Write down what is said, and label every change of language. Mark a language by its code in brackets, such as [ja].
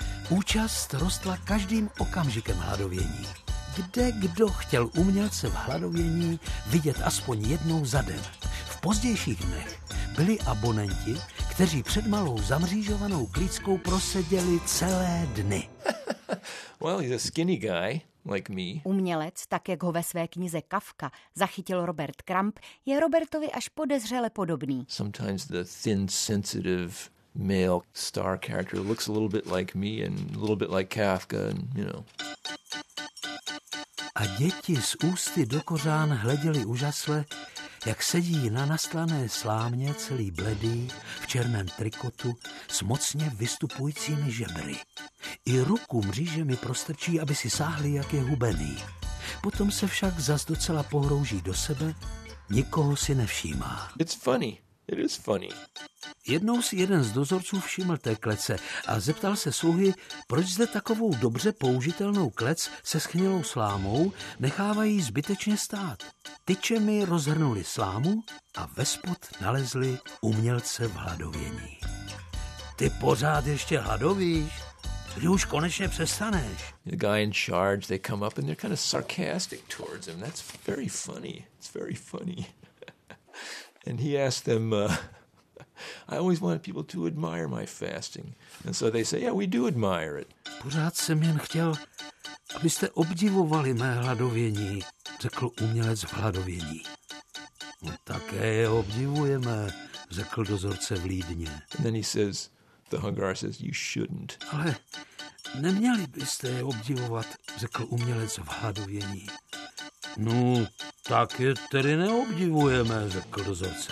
[cs] Účast rostla každým okamžikem hladovění. Kde kdo chtěl umělce v hladovění vidět aspoň jednou za den? V pozdějších dnech byli abonenti, kteří před malou zamřížovanou klíckou proseděli celé dny. [en] Well, he's a skinny guy, like me. [cs] Umělec, tak jak ho ve své knize Kafka zachytil Robert Crumb, je Robertovi až podezřele podobný. [en] Sometimes the thin, sensitive male star character looks a little bit like me and a little bit like Kafka, and, you know. [cs] A děti z ústy do kořán hleděli úžasle, jak sedí na nastlané slámě celý bledý, v černém trikotu, s mocně vystupujícími žebry. I ruku mříže mi prostrčí, aby si sáhli, jak je hubený. Potom se však zas docela pohrouží do sebe, nikoho si nevšímá. [en] It's funny. It is funny. [cs] Jednou si jeden z dozorců všiml té klece a zeptal se sluhy, proč zde takovou dobře použitelnou klec se schnilou slámou nechávají zbytečně stát. Tyčemi rozhrnuli slámu a vespod nalezli umělce v hladovění. Ty pořád ještě hladovíš? Kdy už konečně přestaneš? [en] The guy in charge, they come up and they're kind of sarcastic towards him. That's very funny. It's very funny. And he asked them, I always wanted people to admire my fasting. And so they say, yeah, we do admire it. [cs] Pořád jsem jen chtěl, abyste obdivovali mé hladovění, řekl umělec v hladovění. My také je obdivujeme, řekl dozorce v Lídně. [en] And then he says, the Hungar says, you shouldn't. [cs] Ale neměli byste je obdivovat, řekl umělec v hladovění. No, tak je tedy neobdivujeme, řekl dozorce.